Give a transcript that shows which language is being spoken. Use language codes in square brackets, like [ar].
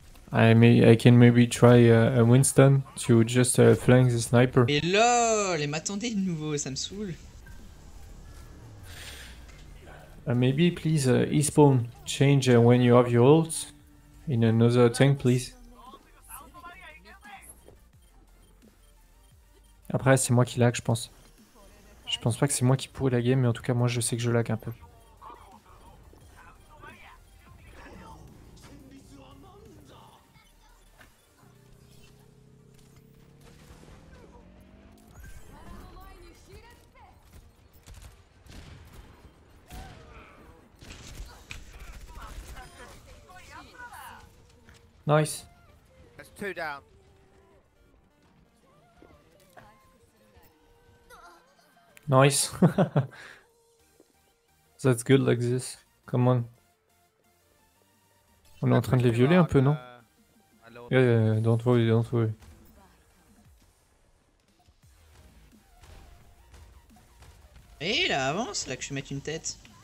[en] I may, I can maybe try a Winston to just flank the sniper. [fr] Mais lol, elle m'attendait de nouveau, ça me saoule. [en] Maybe please respawn, change when you have your ult in another tank, please. [fr] Après, c'est moi qui lag, je pense. Je pense pas que c'est moi qui pourrais la game, mais en tout cas, moi je sais que je lag un peu. [en] Nice. Nice. That's good like this. Come on. [fr] On est en train de les violer un peu, non? [en] Yeah, yeah, yeah, don't worry, don't worry. [fr] Hé, hey, là, avance, là, que je mette une tête.